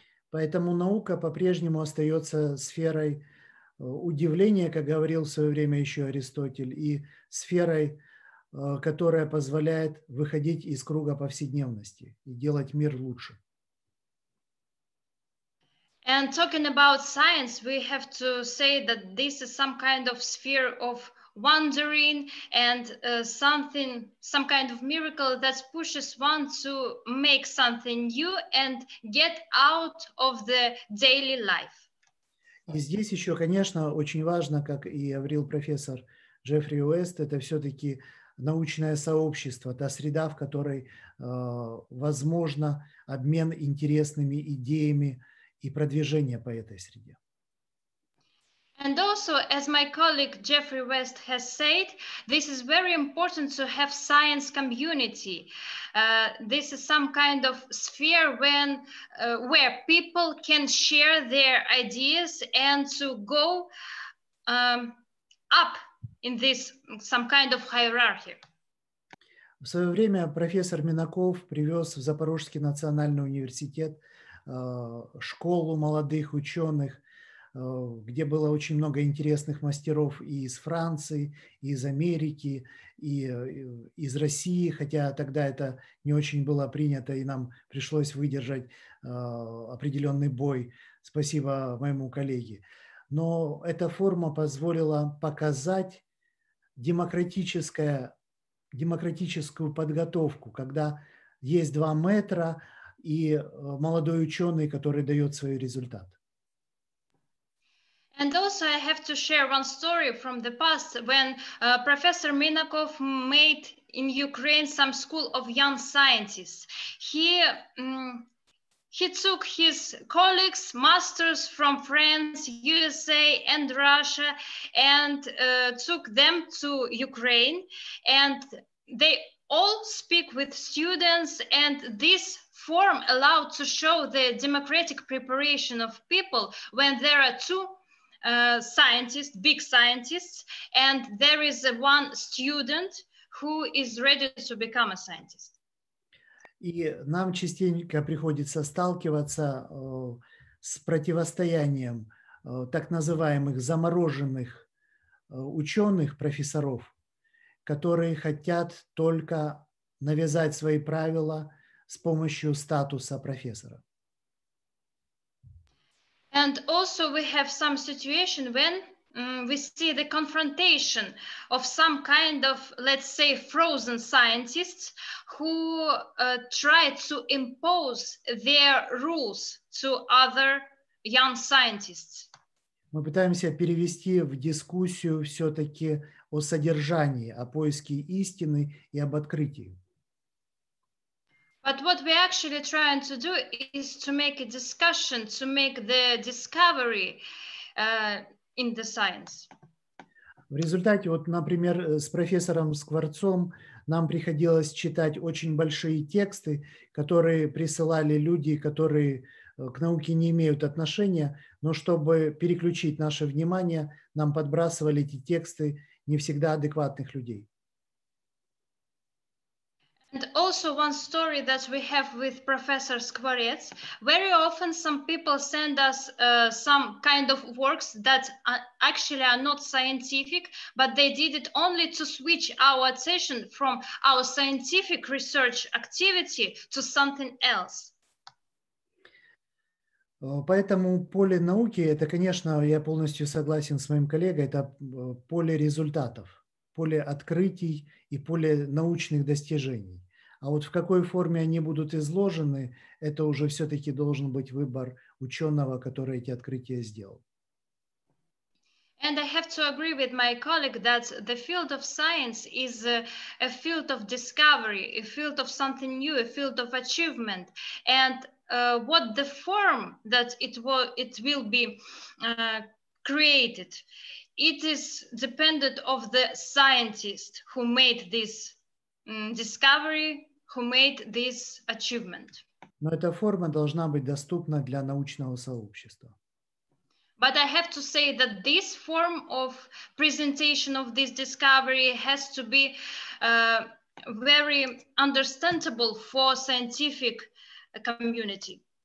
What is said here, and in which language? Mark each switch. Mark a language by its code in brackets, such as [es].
[ru] Поэтому наука по-прежнему остается сферой удивления, как говорил в свое время еще Аристотель, и сферой, которая позволяет выходить из круга повседневности и делать мир лучше. [en] And talking about science, we have to say that this is some kind of sphere of wondering and something, some kind of miracle that pushes one to make something new and get out of the daily life. [ru] И здесь еще, конечно, очень важно, как и говорил профессор Джеффри Уэст, это все-таки научное сообщество, та среда, в которой возможно обмен интересными идеями и продвижение по этой среде. [en] And also, as my colleague Geoffrey West has said, this is very important to have science community. This is some kind of sphere when where people can share their ideas and to go up in this some kind of hierarchy. [ru] В свое время профессор Минаков привез в Запорожский национальный университет школу молодых ученых, где было очень много интересных мастеров и из Франции, и из Америки, и из России, хотя тогда это не очень было принято, и нам пришлось выдержать определенный бой. Спасибо моему коллеге. Но эта форма позволила показать демократическую подготовку, когда есть два метра и молодой ученый, который дает свой результат. [en] And also I have to share one story from the past when Professor Minakov made in Ukraine some school of young scientists. He took his colleagues, masters from France, USA and Russia and took them to Ukraine. And they all speak with students and this form allowed to show the democratic preparation of people when there are two scientists, big scientists, and there is one student who is ready to become a scientist. [ru] И нам частенько приходится сталкиваться с противостоянием так называемых замороженных ученых, профессоров, которые хотят только навязать свои правила с помощью статуса профессора. [en] And also we have some situation when we see the confrontation of some kind of, let's say, frozen scientists who try to impose their rules to other young scientists. [ru] Мы пытаемся перевести в дискуссию все-таки о содержании, о поиске истины и об открытии. [en] But what we're actually trying to do is to make a discussion, to make the discovery in the science. [ru] В результате, вот, например, с профессором Скворцом нам приходилось читать очень большие тексты, которые присылали люди, которые к науке не имеют отношения, но чтобы переключить наше внимание, нам подбрасывали эти тексты не всегда адекватных людей. [en] And also also one story that we have with Professor Skvorets. Very often some people send us some kind of works that actually are not scientific, but they did it only to switch our attention from our scientific research activity to something else. [ru] Поэтому поле науки, это, конечно, я полностью согласен с моим коллегой, это поле результатов, поле открытий и поле научных достижений. А вот в какой форме они будут изложены, это уже все-таки должен быть выбор ученого, который эти открытия сделал. [en] And I have to agree with my colleague that the field of science is a field of discovery, a field of something new, a field of achievement. And what the form that it will be created, it is dependent of the scientist who made this discovery, who made this achievement. [ru] Но эта форма должна быть доступна для научного сообщества. [en] But I have to say that this form of presentation of this discovery has to be very understandable for scientific community.